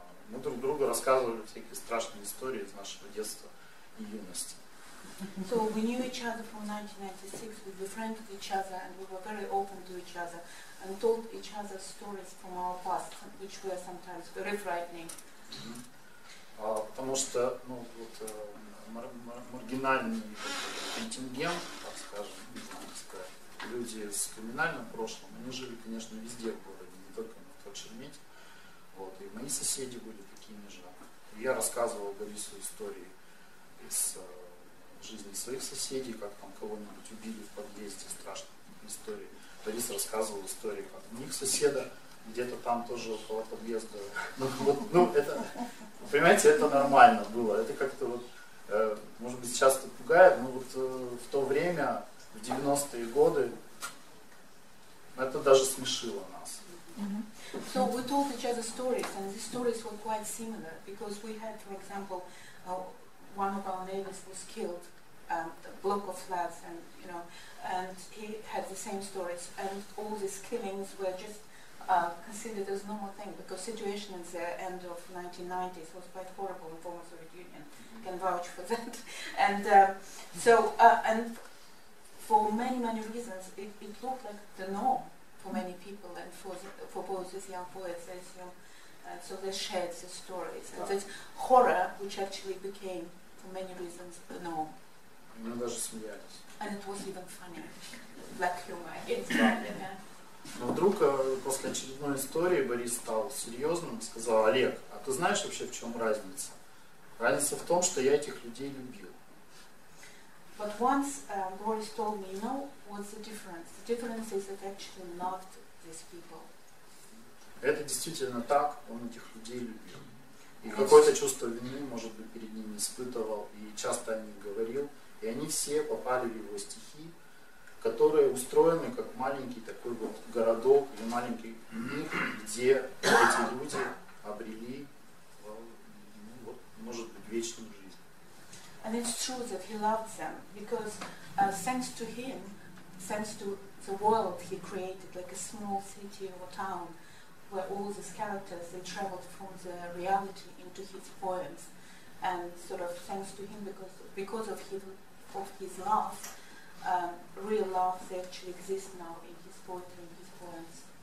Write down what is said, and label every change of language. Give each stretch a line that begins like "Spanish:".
Russian: Мы друг другу рассказывали всякие страшные истории из нашего детства и юности.
English: So we knew each other from 1996, we befriended each other, and we were very open to each other, and told each other stories from our past, which were sometimes very frightening.
Russian: Потому что, ну, вот, маргинальный контингент, так скажем, не знаю, сказать, люди с криминальным прошлым, они жили, конечно, везде в городе, не только на Шереметье. Вот, и мои соседи были такими же. Я рассказывал Борису истории из жизни своих соседей, как там кого-нибудь убили в подъезде, страшные истории. Борис рассказывал истории, как у них соседа где-то там тоже около подъезда. Ну, это, понимаете, это нормально было. Это как-то вот, может быть, сейчас это пугает, но вот в то время, в 90-е годы, это даже смешило нас.
English: So we told each other stories, and these stories were quite similar, because we had, for example, one of our neighbors was killed, a block of flats, and, you know, and he had the same stories, and all these killings were just considered as normal thing, because situation in the end of 1990s was quite horrible in former Soviet Union. Mm-hmm. Can vouch for that. And and for many reasons, it looked like the norm for many people, and for both these young poets, as you know, so they shared the stories. And this horror, which actually became, for many reasons, the norm. And it was even funny, black humor. It's funny.
Russian: Но вдруг после очередной истории Борис стал серьезным и сказал: Олег, а ты знаешь вообще, в чем разница? Разница в том, что я этих людей любил.
English: But once Boris told me, you know, what's the difference? The difference is that I actually loved these people.
Russian: Это действительно так, он этих людей любил. И какое-то чувство вины, может быть, перед ними испытывал, и часто о них говорил, и они все попали в его стихи, которые устроены как маленький такой вот городок или маленький мир, где эти люди обрели, ну, вот, может быть, вечную жизнь.
English: And it's true that he loved them, because thanks to him, thanks to the world he created, like a small city or town, where all these characters, they traveled from the reality into his poems, and sort of thanks to him, because of his love, real love, they actually exist now in his poetry, in his poems.